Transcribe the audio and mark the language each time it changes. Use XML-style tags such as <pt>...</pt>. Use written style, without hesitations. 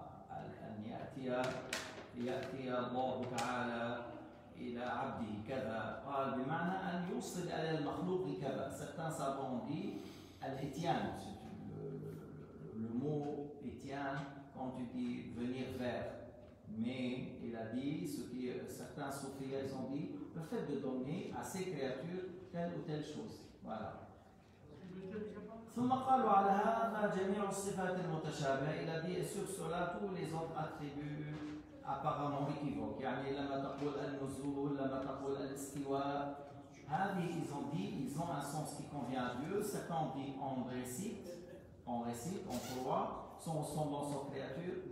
<ar>An ya'ti Allah Ta'ala إلى عبده كذا. قال بمعنى أن يوصل إلى المخلوق كذا.</ar> <fr>certains savants disent l'étienne, c'est le mot étienne quand tu dis venir vers. Mais il a dit ce que certains soufis ont dit, le fait de donner à ces créatures telle ou telle chose. Voilà.</fr> <ar>ثم قالوا على هذا جميع الصفات المتشابهة.</ar> <fr>il a dit sur cela tous les autres attributs apparemment équivoque.</fr> <ar>يعني لما تقول النزول لما تقول الاستواء هذه</ar> <fr>ils ont dit ils ont un sens qui convient à Dieu. certains disent on récite on croit sont ressemblants aux créatures.</fr>